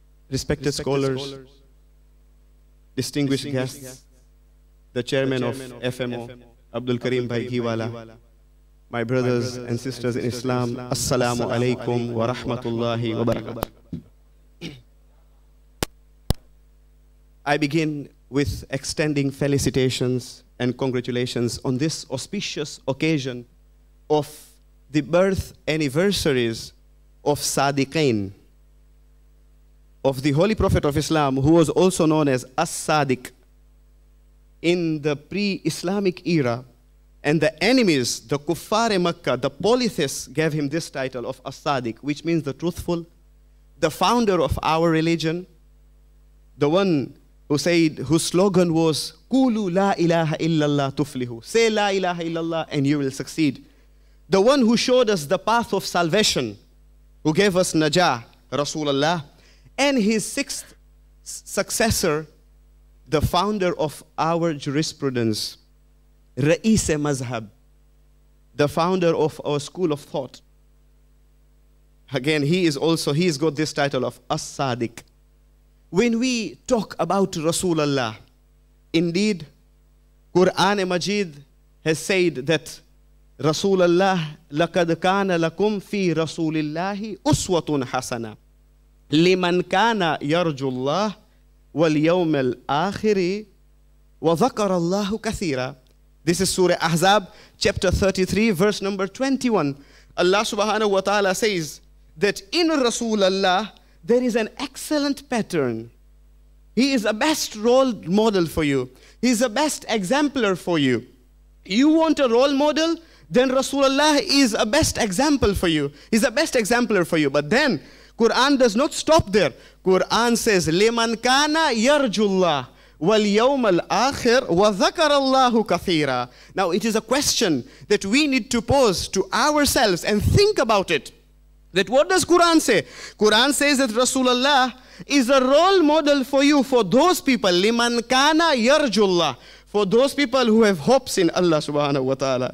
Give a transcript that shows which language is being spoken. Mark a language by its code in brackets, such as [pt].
[en] Respected scholars, distinguished guests, the chairman of FMO, Abdul Karim Bhai Ghiwala, my brothers and sisters in Islam, Assalamu alaikum wa rahmatullahi wa barakatuh. I begin with extending felicitations and congratulations on this auspicious occasion of the birth anniversaries of Sadiqain, of the Holy Prophet of Islam, who was also known as As-Sadiq in the pre-Islamic era. And the enemies, the Kuffare Makkah, the polytheists, gave him this title of As-Sadiq, which means the truthful, the founder of our religion, the one who said, whose slogan was, [ar] Kulu la ilaha illallah tuflihu. [en] Say la ilaha illallah and you will succeed. The one who showed us the path of salvation, who gave us najah, Rasulullah. And his sixth successor, the founder of our jurisprudence, Ra'is-e Mazhab, the founder of our school of thought. Again, he's got this title of As-Sadiq. When we talk about Rasulullah, indeed, Quran-e-Majid has said that Rasulullah, [ar] لَقَدْ كَانَ لَكُمْ فِي رَسُولِ اللَّهِ أُسْوَةٌ حَسَنًا لِمَنْ كَانَ يَرْجُ اللَّهِ وَالْيَوْمَ الْآخِرِ وَذَكَرَ اللَّهُ كَثِيرًا. [en] This is Surah Ahzab, chapter 33, verse number 21. Allah subhanahu wa ta'ala says that in Rasulullah, there is an excellent pattern. He is the best role model for you. He is the best exemplar for you. You want a role model? Then Rasulullah is a best example for you. He's the best exemplar for you. But then Quran does not stop there. Quran says, [ar] لِمَنْ كَانَ يَرْجُ اللَّهِ وَالْيَوْمَ الْآخِرِ وَذَكَرَ اللَّهُ كَثِيرًا. [en] Now it is a question that we need to pose to ourselves and think about it. That what does Quran say? Quran says that Rasulullah is a role model for you, for those people, [ar] liman kana yarjullah, [en] for those people who have hopes in Allah subhanahu wa ta'ala.